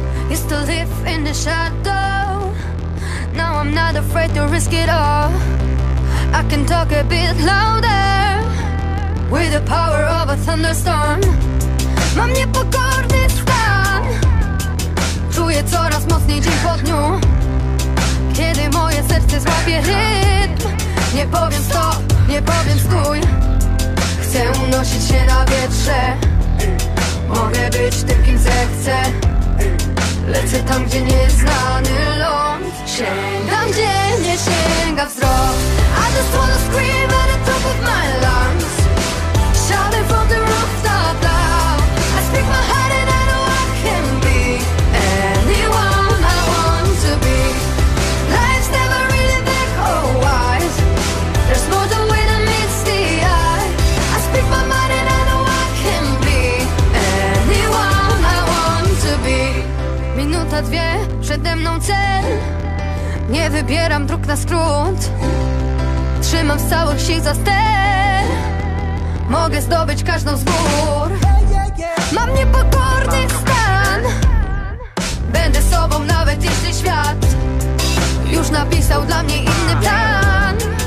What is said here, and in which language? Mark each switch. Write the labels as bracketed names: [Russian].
[English] Used to live in the shadow. Now I'm not afraid to risk it all. I can talk a bit louder with the power of a thunderstorm. [Polish] Mam niepokorny stan. Czuję coraz mocniej dzień po dniu. Kiedy moje serce złapie rytm, nie powiem stop, nie powiem stój. Chcę unosić się na wietrze. Mogę być tym, kim zechcę. Lecę tam, gdzie nieznany ląd. Sięgam, gdzie nie sięga wzrok. [English] I just wanna scream at the top of my lungs. Shouting from the rooftop loud. I speak my heart and I know I can be anyone I want to be. Life's never really black or white. There's more to it than meets the eye. I speak my mind and I know I can be anyone I want to be. [Polish] Minuta, dwie, przede mną cel. Nie wybieram dróg na skrót. Trzymam z całych sił za ster. Mogę zdobyć każdą z gór. Mam niepokorny stan. Będę sobą nawet jeśli świat już napisał dla mnie inny plan.